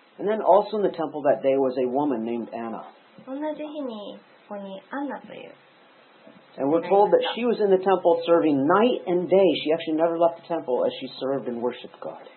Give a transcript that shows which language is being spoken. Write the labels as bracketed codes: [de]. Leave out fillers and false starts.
[en] And then also in the temple that day was a woman named Anna. [ja] 同じ日にここにアンナという。 [en] And we're told that she was in the temple serving night and day. She actually never left the temple as she served and worshipped God.